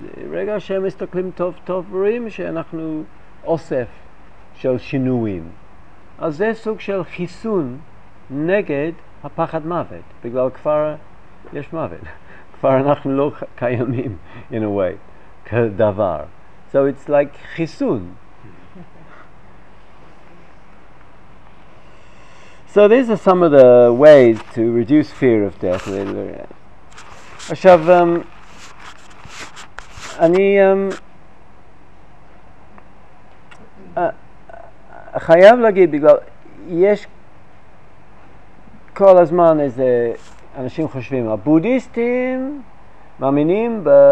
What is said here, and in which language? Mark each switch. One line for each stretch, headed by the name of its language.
Hebrew: רגע שהם מסתכלים טוב טוב, רואים שאנחנו אוסף של שינויים. אז זה סוג של חיסון נגד הפחד מוות, בגלל כבר יש מוות. כבר אנחנו לא קיימים,
English: in a way,
Hebrew: כדבר.
English: So it's like חיסון. So these are some of the ways to reduce fear of death.
Hebrew: עכשיו, אני חייב להגיד, בגלל יש כל הזמן איזה אנשים חושבים, הבודיסטים מאמינים